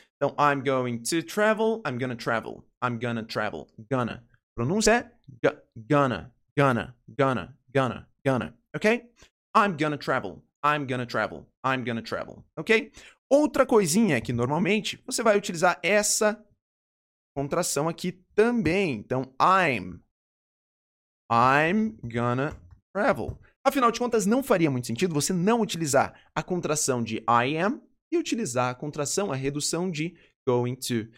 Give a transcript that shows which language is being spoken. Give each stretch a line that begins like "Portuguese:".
Portuguese: Então,
English: I'm going to travel, I'm gonna travel, I'm gonna travel, gonna.
Portuguese: Pronúncia é gonna, gonna, gonna, gonna, gonna, ok?
English: I'm gonna travel, I'm gonna travel, I'm gonna travel, ok?
Portuguese: Outra coisinha é que normalmente você vai utilizar essa contração aqui também. Então,
English: I'm gonna travel.
Portuguese: Afinal de contas, não faria muito sentido você não utilizar a contração de I am e utilizar a contração, a redução de going to.